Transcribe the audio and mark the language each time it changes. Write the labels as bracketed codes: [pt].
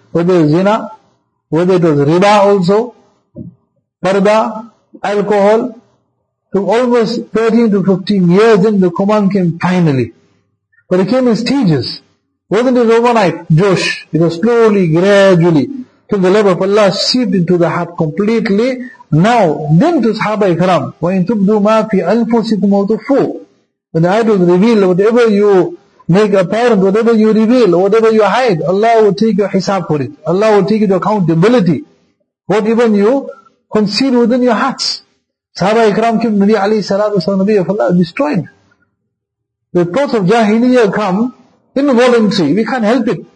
[en] Whether it was zina, whether it was riba also, parda, alcohol. So almost 13 to 15 years then the command came finally. But it came in stages. Wasn't it overnight, Josh? It was slowly, gradually, till the love of Allah seeped into the heart completely. Now, then to Sahaba Ikram, [ar] وَإِن تُبْدُوا مَا فِي أَنفُسِكُمْ وَتُخْفُوا. [en] When the ayat was revealed, whatever you make apparent, whatever you reveal, whatever you hide, Allah will take your hisab for it. Allah will take it to accountability. What even you conceal within your hearts. Sahaba Ikram came to Nabi alayhi salatu wasalam, Nabi of Allah, destroyed. The thoughts of Jahiliyyah come involuntary. We can't help it.